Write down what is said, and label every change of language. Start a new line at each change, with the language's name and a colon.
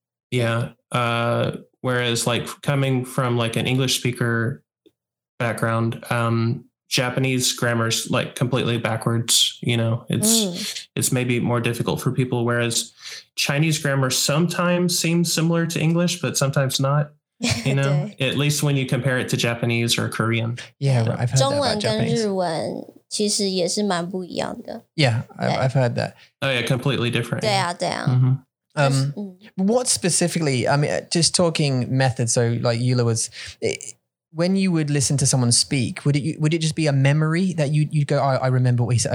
English: Yeah. Whereas like coming from like an English speaker background, Japanese grammar's like completely backwards. You know, it's maybe more difficult for people. Whereas Chinese grammar sometimes seems similar to English, but sometimes not. You know, at least when you compare it to Japanese or Korean. Yeah, I've heard that about Japanese.
Chinese: 中文跟日文其实也是蛮不一样的。
English: Yeah, I've heard that. Oh yeah, completely different.
Chinese: 对啊，对啊。Mm-hmm.
English: What specifically, I mean, just talking method, so like Eula was, when you would listen to someone speak, would it just be a memory that you'd go, I remember what he said.